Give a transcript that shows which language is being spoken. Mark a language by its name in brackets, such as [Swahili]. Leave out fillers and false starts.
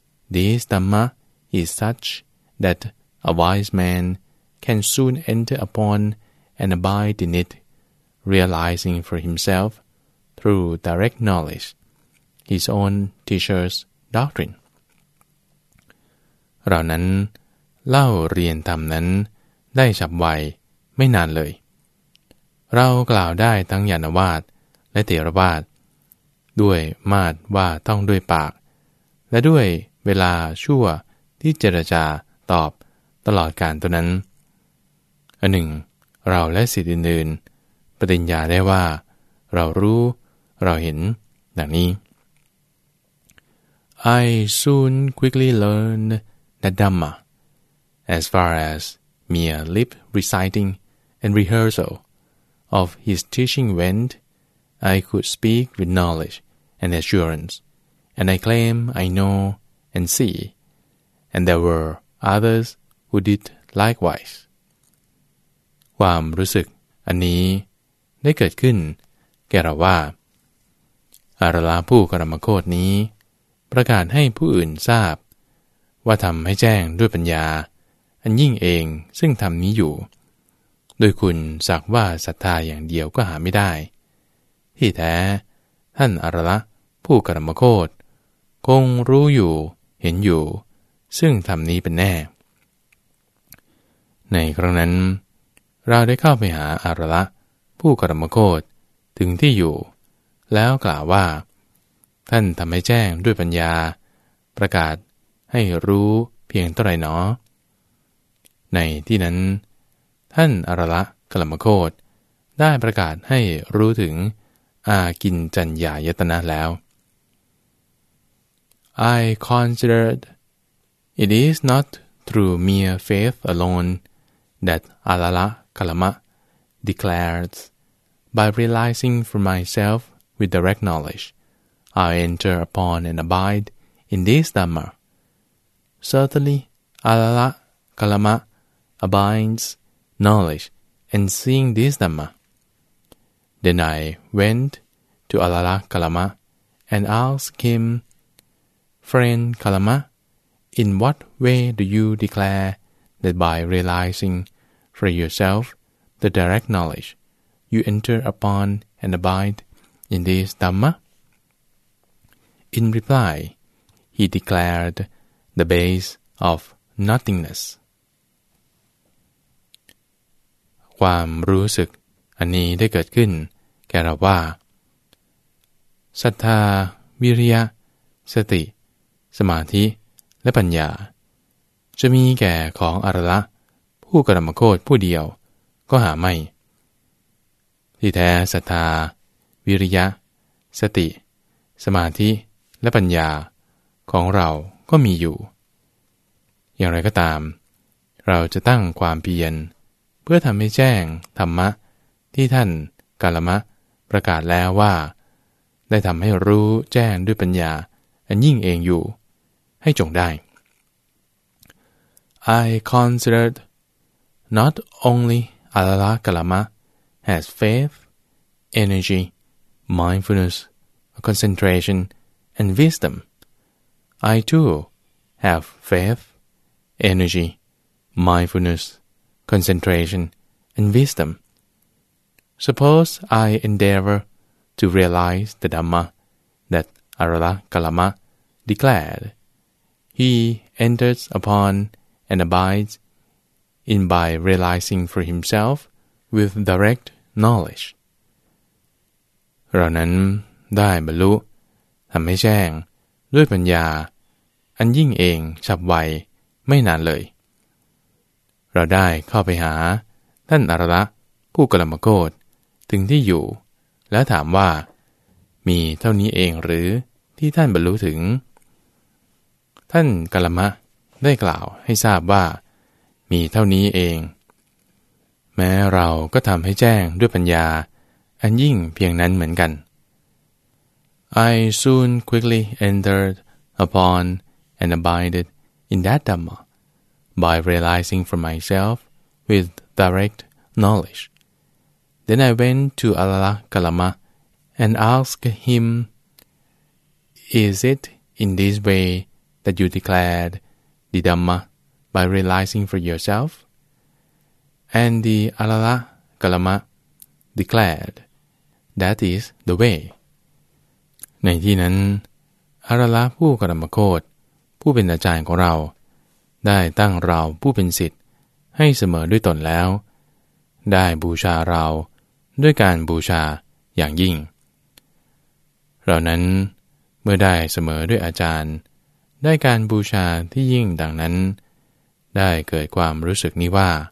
[English] This Dhamma is such that a wise man can soon enter upon and abide in it, realizing for himselfthrough direct knowledge, his own teacher's doctrine. [Thai] เรานั้นเล่าเรียนธรรมนั้นได้ฉับไวไม่นานเลยเรากล่าวได้ทั้งญาณวาทและเถรวาทด้วยมาตรว่าต้องด้วยปากและด้วยเวลาชั่วที่เจรจาตอบตลอดการตัวนั้นอันหนึ่งเราและศิษย์อื่นๆปฏิญญาได้ว่าเรารู้เราเห็นดังนี้ [English] I soon quickly learned that Dhamma, as far as mere lip reciting and rehearsal of his teaching went, I could speak with knowledge and assurance, and I claim I know and see, and there were others who did likewise. [Thai] ความรู้สึกอันนี้ได้เกิดขึ้นแก่เราว่าอารลาผู้กรรมโคตนี้ ประกาศให้ผู้อื่นทราบว่าทำให้แจ้งด้วยปัญญาอันยิ่งเองซึ่งทำนี้อยู่โดยคุณสักว่าศรัทธาอย่างเดียวก็หาไม่ได้ที่แท้ท่านอรละผู้กรรมโคตรคงรู้อยู่เห็นอยู่ซึ่งทำนี้เป็นแน่ ในครั้งนั้นเราได้เข้าไปหาอรละผู้กรรมโคตรถึงที่อยู่แล้วกล่าวว่าท่านทำให้แจ้งด้วยปัญญาประกาศให้รู้เพียงเท่าไรหนอในที่นั้นท่านอรละกลัมโคตรได้ประกาศให้รู้ถึงอากินจัญญายตนะแล้ว [English] I considered it is not through mere faith alone that Arala Kalama declares by realizing for myself with direct knowledge I enter upon and abide in this Dhamma. Certainly, Arala Kalama abides knowledge and seeing this Dhamma. Then I went to Arala Kalama and asked him, Friend Kalama, in what way do you declare that by realizing for yourself the direct knowledge, you enter upon and abide in this Dhamma? In reply, he declared the base of nothingness. [Thai] ความรู้สึกอันนี้ได้เกิดขึ้นแก่เราว่าศรัทธาวิริยะสติสมาธิและปัญญาจะมีแก่ของอรละผู้กรรมโคตรผู้เดียวก็หาไม่ ที่แท้ศรัทธาวิริยะสติสมาธิและปัญญาของเราก็มีอยู่อย่างไรก็ตามเราจะตั้งความเพียรเพื่อทำให้แจ้งธรรมะที่ท่านกัลลมะประกาศแล้วว่าได้ทำให้รู้แจ้งด้วยปัญญาอันยิ่งเองอยู่ให้จงได้ [English] I considered not only Arala Kalama has faith, energy, mindfulness, concentrationAnd wisdom, I too have faith, energy, mindfulness, concentration, and wisdom. Suppose I endeavor to realize the Dhamma that Arala Kalama declared. He enters upon and abides in by realizing for himself with direct knowledge. [Thai] เรานั้นได้บรรลุทำให้แจ้งด้วยปัญญาอันยิ่งเองฉับไวไม่นานเลยเราได้เข้าไปหาท่านอรละผู้กลัมโกตถึงที่อยู่และถามว่ามีเท่านี้เองหรือที่ท่านบรรลุถึง ท่านกลัมะได้กล่าวให้ทราบว่ามีเท่านี้เองแม้เราก็ทำให้แจ้งด้วยปัญญาอันยิ่งเพียงนั้นเหมือนกัน [English] I soon quickly entered upon and abided in that Dhamma by realizing for myself with direct knowledge. Then I went to Arala Kalama and asked him, Is it in this way that you declared the Dhamma by realizing for yourself? And the Arala Kalama declared, That is the way. [Thai] ในที่นั้นอารละผู้กรรมโคตรผู้เป็นอาจารย์ของเราได้ตั้งเราผู้เป็นศิษย์ให้เสมอด้วยตนแล้วได้บูชาเราด้วยการบูชาอย่างยิ่งเรานั้นเมื่อได้เสมอด้วยอาจารย์ได้การบูชาที่ยิ่งดังนั้นได้เกิดความรู้สึกนี้ว่า